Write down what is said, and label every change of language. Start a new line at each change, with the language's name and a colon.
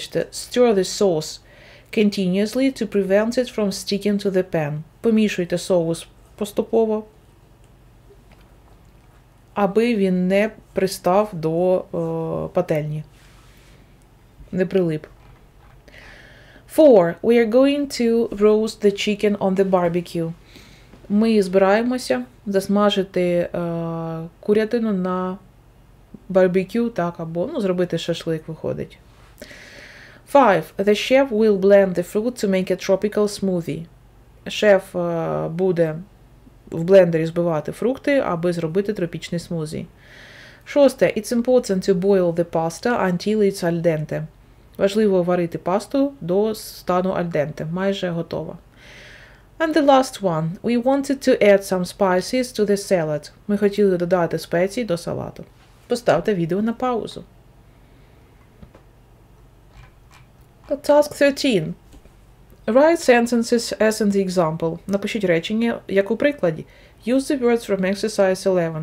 English: Stir the sauce continuously to prevent it from sticking to the pan.
Ukrainian: Помішуйте соус поступово, аби він не пристав до пательні, не прилип. 4.
English: We are going to roast the chicken on the barbecue.
Ukrainian: Ми збираємося засмажити курятину на барбекю, так, або, ну, зробити шашлик, виходить.
English: 5. The chef will blend the fruit to make a tropical smoothie.
Ukrainian: Шеф буде в блендері збивати фрукти, аби зробити тропічний смузі. 6.
English: It's important to boil the pasta until it's al dente.
Ukrainian: Важливо варити пасту до стану al dente, майже готова.
English: And the last one. We wanted to add some spices to the salad.
Ukrainian: Ми хотіли додати спеції до салату. Поставте відео на паузу.
English: Task 13. Write sentences as in the example.
Ukrainian: Напишіть речення, як у прикладі.
English: Use the words from exercise 11.